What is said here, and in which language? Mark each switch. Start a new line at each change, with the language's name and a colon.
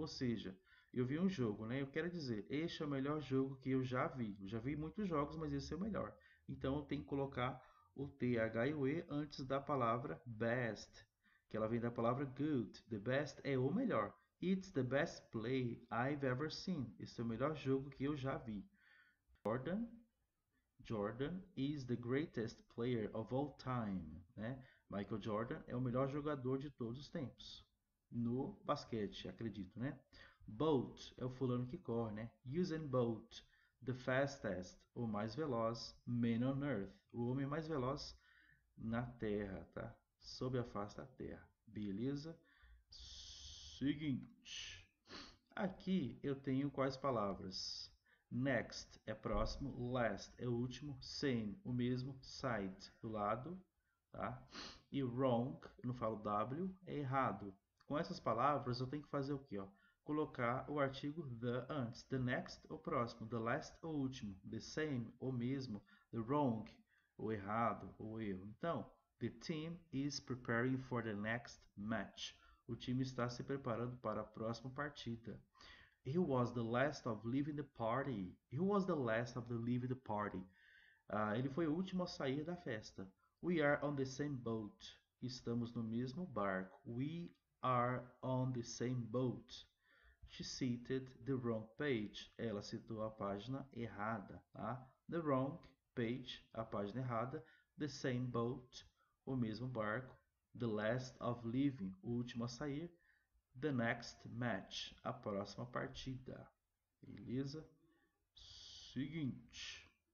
Portuguese: Ou seja, eu vi um jogo, né? Eu quero dizer, este é o melhor jogo que eu já vi. Eu já vi muitos jogos, mas esse é o melhor. Então, eu tenho que colocar o THE antes da palavra best, que ela vem da palavra good. The best é o melhor.
English: It's the best play I've ever seen.
Portuguese: Esse é o melhor jogo que eu já vi.
English: Jordan is the greatest player of all time, né?
Portuguese: Michael Jordan é o melhor jogador de todos os tempos no basquete, acredito, né? Bolt é o fulano que corre, né? Usain Bolt, the fastest, o mais veloz, man on earth, o homem mais veloz na Terra, tá? Sob a face da Terra, beleza? Seguinte, aqui eu tenho quais palavras? Next é próximo, last é o último, same, o mesmo, side, do lado, tá? E wrong, não falo W, é errado. Com essas palavras eu tenho que fazer o quê, ó? Colocar o artigo the antes, the next ou próximo, the last ou último, the same, o mesmo, the wrong, o errado, o erro. Então, the team is preparing for the next match. O time está se preparando para a próxima partida.
English: He was the last of leaving the party. He was the last of the leaving the party.
Portuguese: Ele foi o último a sair da festa.
English: We are on the same boat. Estamos no mesmo barco. We are on the same boat. She cited the wrong page.
Portuguese: Ela citou a página errada, tá? The wrong page, a página errada. The same boat, o mesmo barco. The last of leaving, o último a sair. The next match, a próxima partida. Beleza? Seguinte.